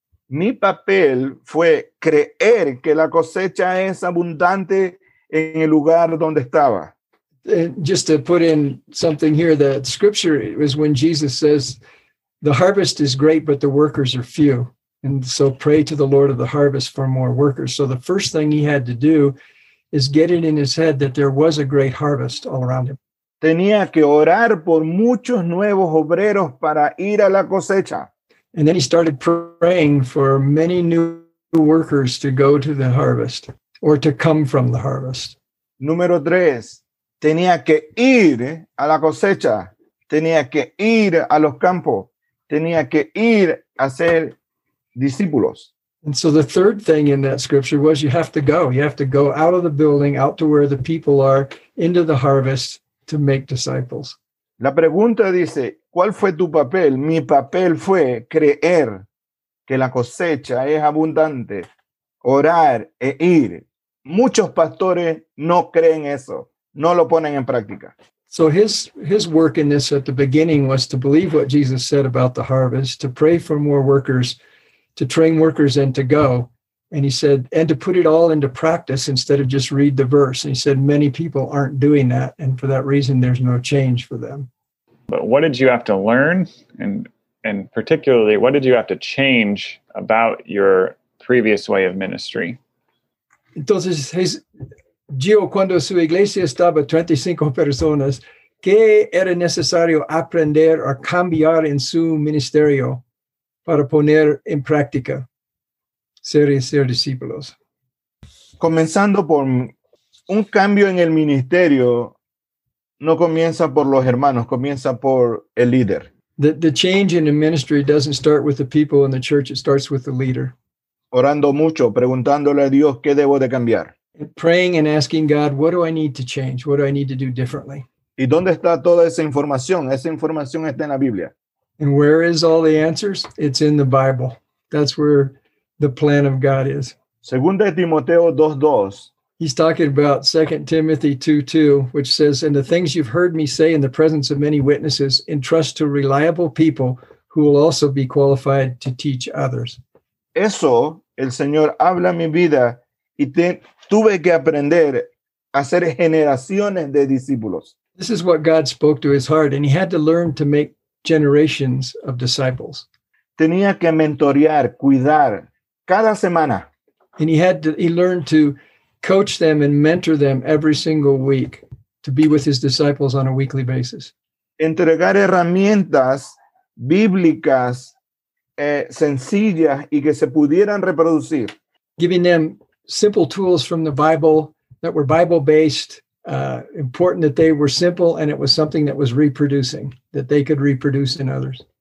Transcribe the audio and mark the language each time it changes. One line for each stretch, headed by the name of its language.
Spanish: Mi papel fue creer que la cosecha es abundante en el lugar donde estaba.
English: Just to put in something here, the scripture was when Jesus says, the harvest is great, but the workers are few. And so pray to the Lord of the harvest for more workers. So the first thing he had to do is get it in his head that there was a great harvest all around him.
Spanish: Tenía que orar por muchos nuevos obreros para ir a la cosecha.
English: And then he started praying for many new workers to go to the harvest or to come from the harvest.
Spanish: Número tres, tenía que ir a la cosecha, tenía que ir a los campos, tenía que ir a ser discípulos.
English: And so the third thing in that scripture was you have to go. You have to go out of the building, out to where the people are, into the harvest to make disciples.
Spanish: La pregunta dice, ¿cuál fue tu papel? Mi papel fue creer que la cosecha es abundante, orar e ir. Muchos pastores no creen eso, no lo ponen en práctica.
English: So his work in this at the beginning was to believe what Jesus said about the harvest, to pray for more workers, to train workers and to go. And he said, and to put it all into practice instead of just read the verse. And he said, many people aren't doing that. And for that reason, there's no change for them. But what did you have to learn? And particularly, what did you have to change about your previous way of ministry?
Spanish: Entonces, Gio, cuando su iglesia estaba 25 personas, ¿qué era necesario aprender o cambiar en su ministerio para poner en práctica? Ser y ser discípulos. Comenzando por un cambio en el ministerio no comienza por los hermanos, comienza por el líder.
English: The change in the ministry doesn't start with the people in the church, it starts with the leader.
Spanish: Orando mucho, preguntándole a Dios qué debo de cambiar.
English: Praying and asking God, what do I need to change? What do I need to do differently?
Spanish: ¿Y dónde está toda esa información? Esa información está en la Biblia.
English: And where is all the answers? It's in the Bible. That's where the plan of God is.
Spanish: Segunda Timoteo 2:2.
English: He's talking about 2 Timothy 2:2, which says, and the things you've heard me say in the presence of many witnesses, entrust to reliable people who will also be qualified to teach others.
Spanish: Eso, el Señor habla mi vida y tuve que aprender a ser generaciones de discípulos.
English: This is what God spoke to his heart, and he had to learn to make generations of disciples.
Spanish: Tenía que mentorear, cuidar, cada semana.
English: And he learned to coach them and mentor them every single week to be with his disciples on a weekly basis.
Spanish: Entregar herramientas bíblicas sencillas y que se pudieran reproducir.
English: Giving them simple tools from the Bible that were Bible-based, important that they were simple and it was something that was reproducing, that they could reproduce in others.